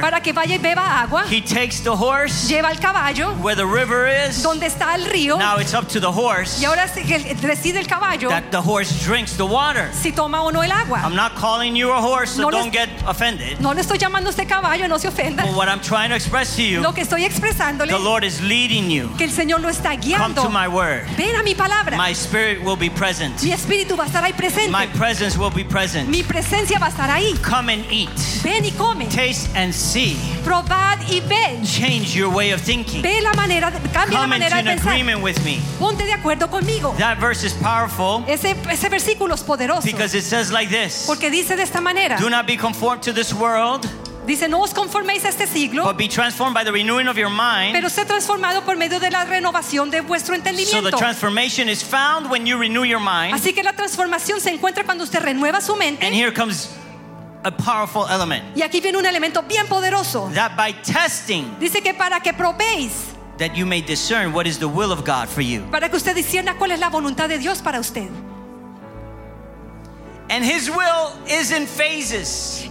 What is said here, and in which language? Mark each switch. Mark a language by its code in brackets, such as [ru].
[es] para que vaya y beba agua. [en] He takes the horse, [es] lleva el caballo, [en] where the river is, [es] donde está el río. [en] Now it's up to the horse, [es] y ahora decide el caballo, [en] that the horse drinks the water, [es] si toma o no el agua. [en] I'm not calling you a horse, so don't get offended. [es] No le estoy llamando a usted caballo, no se ofenda. [en] But what I'm trying to express to you, [es] lo que estoy expresándole, [en] the Lord is leading you, [es] que el Señor lo está guiando. [en] Come to my word, [es] ven a mi palabra. [en] My spirit will be present, [es] mi espíritu va a estar ahí presente. [en] My presence will be present, [es] mi presencia va a estar ahí. [en] Come and eat. [es] Ven y come. [en] Taste and see. [es] Probad y ven. [en] Change your way of thinking. [es] Ve la manera, cambia la manera de pensar. [en] Come into an agreement with me. [es] Ponte de acuerdo conmigo. [en] That verse is powerful. [es] Ese versículo es poderoso. [en] Because it says like this. [es] Porque dice de esta manera. [en] Do not be conformed to this world. [es] Dice, no os conforméis a este siglo, [en] but be transformed by the renewing of your mind, [es] pero sé transformado por medio de la renovación de vuestro entendimiento. [en] So the transformation is found when you renew your mind. [es] Así que la transformación se encuentra cuando usted renueva su mente. [en] And here comes a powerful element. [es] Y aquí viene un elemento bien poderoso. [en] That by testing, [es] dice que para que probéis, [en] that you may discern what is the will of God for you. [es] Para que usted discierna cuál es la voluntad de Dios para usted. [en] And His will is in phases.